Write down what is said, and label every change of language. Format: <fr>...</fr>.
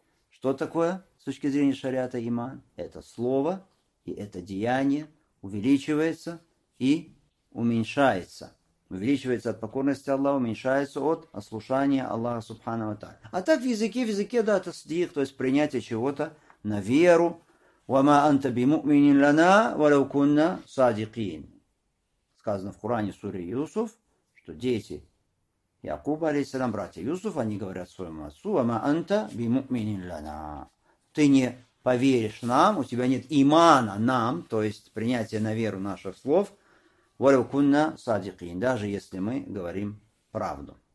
<ru>Что такое с точки зрения шариата иман? Это слово и это деяние увеличивается и уменьшается. Увеличивается от покорности Аллаха, уменьшается от ослушания Аллаха Субхана ва Тааля. А так в языке, да, это тасдик, то есть принятие чего-то на веру.</ru> <ar>وَمَا أَنْتَ بِمُؤْمِنٍ لَنَا وَلَوْ كُنَّا صَادِقِينَ.</ar> <ru>Сказано в Коране, суре Юсуф, что дети Якуба, алейхиссалям, братья Юсуф, они говорят своему отцу,</ru> <ar>«Ва ма анта би муминин лана».</ar> <ru>Ты не поверишь нам, у тебя нет имана нам, то есть принятия на веру наших слов,</ru> <ar>«Валяв кунна садикин»,</ar> <ru>даже если мы говорим правду.</ru>